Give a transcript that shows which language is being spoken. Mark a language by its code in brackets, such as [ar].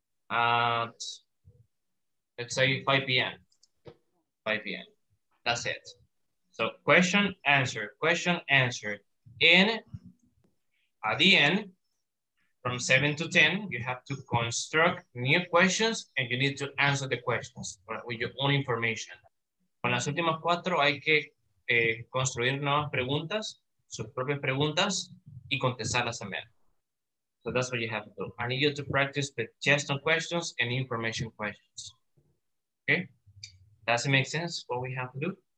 [en] at, let's say 5 p.m. 5 p.m. That's it. So question, answer, question, answer. In, at the end, from 7 to 10, you have to construct new questions and you need to answer the questions with your own information. [es] Con las últimas cuatro hay que construir nuevas preguntas, sus propias preguntas y contestarlas también. [en] So that's what you have to do. I need you to practice with just on questions and information questions. Okay? Does it make sense what we have to do?